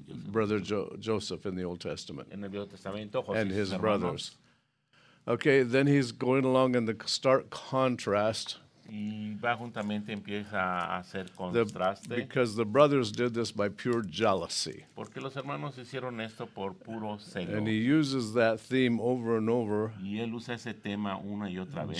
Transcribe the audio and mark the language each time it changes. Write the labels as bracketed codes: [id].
[en] brother Joseph in the Old Testament [es] en el Viejo Testamento, José [en] and his brothers. Okay, then he's going along in the stark contrast. [es] Y va juntamente empieza a hacer contraste. [en] Because the brothers did this by pure jealousy. [es] Porque los hermanos hicieron esto por puro celo. [en] And he uses that theme over and over. [es] Y él usa ese tema una y otra vez.